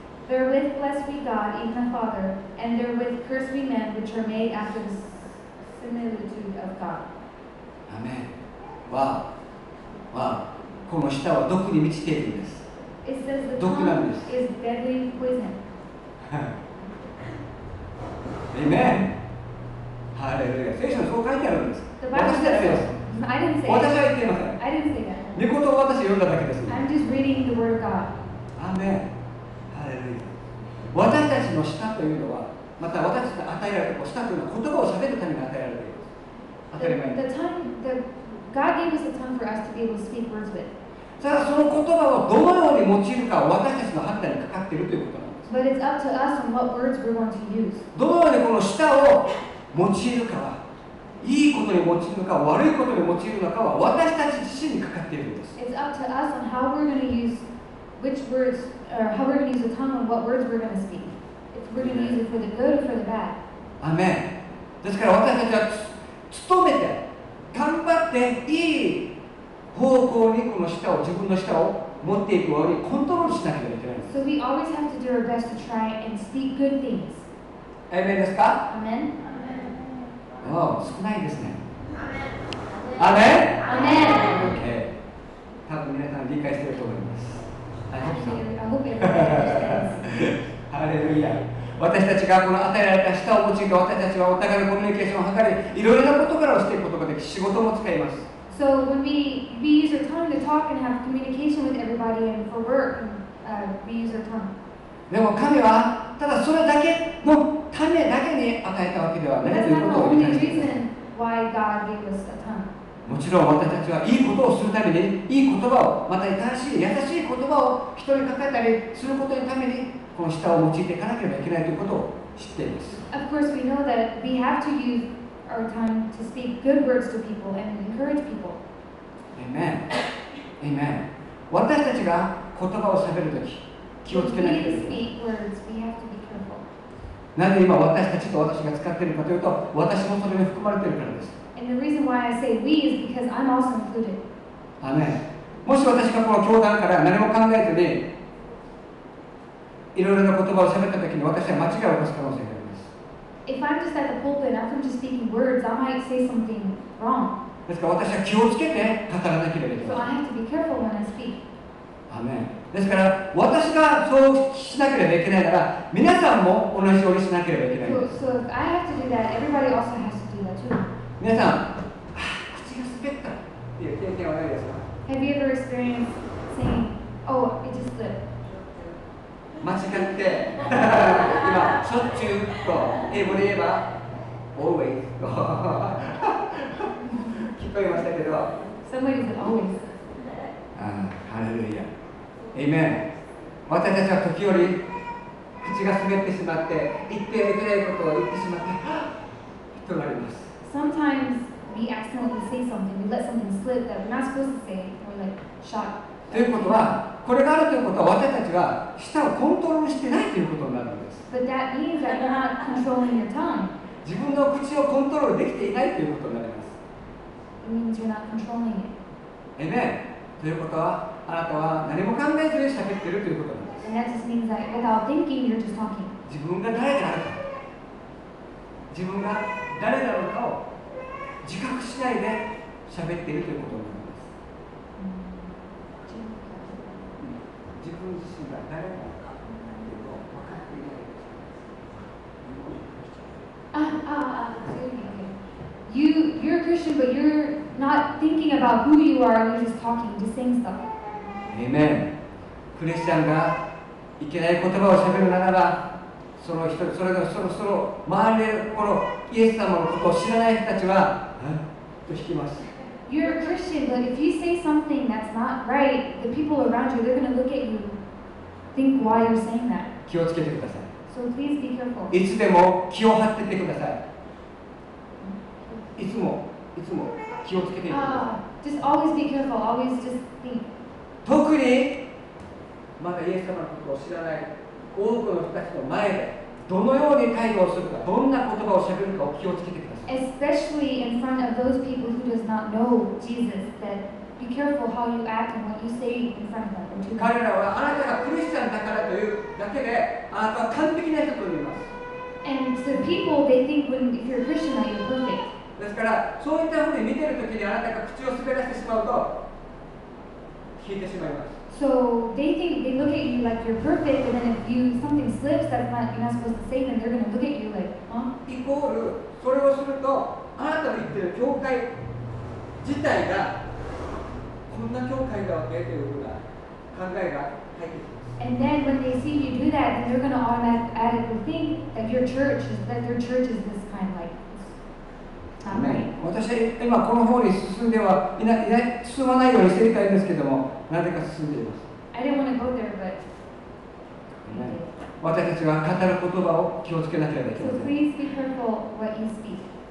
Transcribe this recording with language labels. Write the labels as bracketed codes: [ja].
[en] Therewith bless we God, even Father, and therewith curse we men which are made after the similitude of God. Amen. Wow. Wow. [ja] この舌は毒に満ちているんです。 [en] It says the tongue is deadly poison. Amen. Hallelujah. [ja] 聖書にそう書いてあるんです。私だけです。 [en] I didn't say that. [ja] 私は言っていません。 [en] I didn't say that. [ja] 御言葉を私は読んだだけです。 [en] I'm just reading the word of God. Amen. Hallelujah. [ja] 私たちの舌というのは、また私たちが与えられた舌というのは言葉を喋るために与えられている。当たり前に。 [en] God gave us a tongue for us to be able to speak words with. [ja] ただその言葉をどのように用いるかは私たちの判断にかかっているということなんです。 [en] But it's up to us on what words we want to use. [ja] どのようにこの舌を用いるかは、いいことに用いるのか、悪いことに用いるのかは私たち自身にかかっているんです。 [en] It's up to us on how we're going to use which words or how we're going to use the tongue and what words we're going to speak. If we're going to use it for the good or for the bad. Amen. [ja] ですから私たちは努めて、頑張っていい。方向にこの舌を自分の舌を持っていくようにコントロールしなければいけないんです。 [en] So we always have to do our best to try and speak good things. [ja] アメンですか？アメン。アメン。お、少ないですね。アメン。アメン。オッケー。多分皆さん理解していると思います。ハレルヤ。私たちがこの与えられた舌を用いて私たちはお互いのコミュニケーションを図り、いろいろなことからをしていくことができ、仕事も使います。 [en] So when we use our tongue to talk and have communication with everybody and for work, we use our tongue. [ja] でも神はただそれだけのためだけに与えたわけではないということを理解しています。 [en] Why God gave us a tongue. [ja] もちろん私たちはいいことをするためにいい言葉をまた正しい優しい言葉を人にかかったりすることのためにこの舌を用いていかなければいけないということを知っています。 [en] Of course, we know that we have to useOur time to speak good words to people and encourage people. Amen. Amen. [ja] 私たちが言葉を喋るとき、気をつけなければ。 [en] We speak words. We have to be careful. [ja] なぜ今私たちと私が使っているかというと、私もそれに含まれているからです。 [en] And the reason why I say we is because I'm also included. Amen. [ja] もし私がこの教団から何も考えずに、いろいろな言葉を喋ったときに、私は間違いを犯す可能性がある。 [en] If I'm just at the pulpit and I'm just speaking words, I might say something wrong. [ja] ですから私は気をつけて語らなければいけない。 [en] So I have to be careful when I speak. Amen. [ja] ですから私がそうしなければいけないなら、皆さんも同じようにしなければいけない。 [en] So if I have to do that, everybody also has to do that too. [ja] 皆さん、口が滑ったっていう経験はないですか？ [en] Have you ever experienced saying, oh, it just slipped? [ja] 間違って今しょっちゅうと英語で言えば always と聞こえましたけど [en] Somebody said always [ja] ハレルヤ Amen 私たちは時折口が滑ってしまって言っていけないことを言ってしまってとなります [en] Sometimes we accidentally say something we let something slip that we're not supposed to say we're like shocked [ja] ということはこれがあるということは私たちが舌をコントロールしてないということになるんです。 [en] But that means that you're not controlling your tongue. [ja] 自分の口をコントロールできていないということになります。 [en] It means you're not controlling it. Amen. [ja] ということは、あなたは何も考えずに喋っているということなんです。 [en] And that just means that without thinking, you're just talking. [ja] 自分が誰であるか。自分が誰なのかを自覚しないで喋っているということなんです。自分自身が誰なのかというのを分かっていないです。 [en] You're a Christian, but you're not thinking about who you are, you're just talking, just saying stuff. Amen. [ja] クリスチャンがいけない言葉を喋るならば、その人、それがその周りのこのイエス様のことを知らない人たちは、と引きます。 [en] You're a Christian, but if you say something that's not right, the people around you, they're going to look at you, think why you're saying that. [ja] 気をつけてください。 [en] So please be careful. [ja] いつでも気を張っててください。いつも、いつも気をつけてい [en] く。Just always be careful, always just think. [ja] 特に、まだイエス様のことを知らない多くの人たちの前で、どのように会話をするか、どんな言葉をしゃべるかを気をつけてください。 [en] Especially in front of those people who does not know Jesus, that be careful how you act and what you say in front of them. [ja] 彼らは、あなたがクリスチャンだからというだけで、あなたは完璧な人と言います。 [en] And so people, they think when if you're a Christian, that you're perfect. [ja] ですから、そういったふうに見ているときにあなたが口を滑らせてしまうと引いてしまいます。 [en] So they think they look at you like you're perfect, and then if you something slips that you're not supposed to say, then they're going to look at you like, huh? [ja] イコールそれをするとあなたの言っている教会自体がこんな教会だわけというふうな考えが入ってきます。 [en] And then when they see you do that, then they're going to automatically think that your church is that their church is this kind of like. [ja] 私は今この方に進んでは進まないようにしていたいんですけども、なぜか進んでいます。 [en] I didn't want to go there, but... [ja] 私たちは語る言葉を気をつけなければいけません。 [en] So please be careful what you speak.